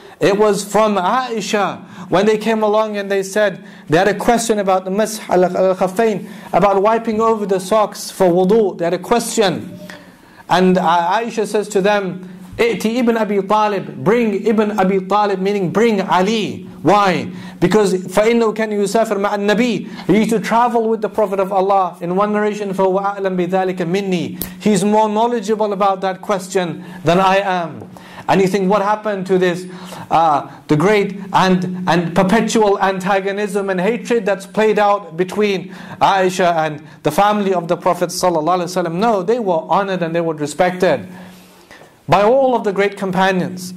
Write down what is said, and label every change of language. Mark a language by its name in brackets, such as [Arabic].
[English] It was from Aisha when they came along and they said, they had a question about the mas' al-khafain, about wiping over the socks for wudu. They had a question. And Aisha says to them, "Iti Ibn Abi Talib," bring Ibn Abi Talib, meaning bring Ali. Why? Because [Arabic] فَإِنَّوْ كَنْ يُسَافِرْ مَعَ النَّبِيِّ. [English] He used to travel with the Prophet of Allah. In one narration, [Arabic] فَوَ أَعْلَمْ بِذَلِكَ مِنِّي. [English] He's more knowledgeable about that question than I am. And you think, what happened to this, the great and perpetual antagonism and hatred that's played out between Aisha and the family of the Prophet ﷺ? No, they were honored and they were respected by all of the great companions.